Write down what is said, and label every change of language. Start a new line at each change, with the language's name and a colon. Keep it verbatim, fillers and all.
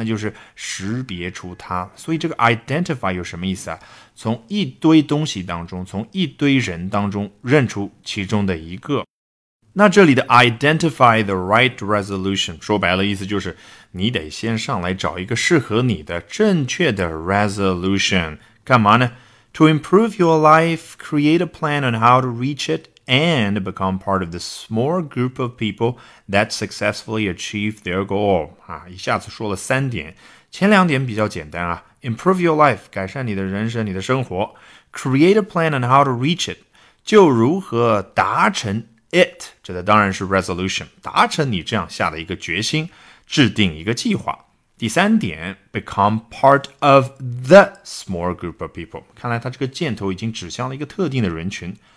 Chinese: 那就是识别出它。所以这个 identify 有什么意思啊？从一堆东西当中，从一堆人当中认出其中的一个。那这里的 identify the right resolution， 说白了意思就是你得先上来找一个适合你的正确的 resolution。干嘛呢？
English: To improve your life, create a plan on how to reach it. And become part of the small group of people that successfully achieve their goal.
Chinese: 啊，一下子说了三点，前两点比较简单啊。
English: Improve your life，
Chinese: 改善你的人生，你的生活。
English: Create a plan on how to reach it，
Chinese: 就如何达成 it， 这个当然是 resolution， 达成你这样下的一个决心，制定一个计划。第三点
English: become part of the small group of people，
Chinese: 看来他这个箭头已经指向了一个特定的人群。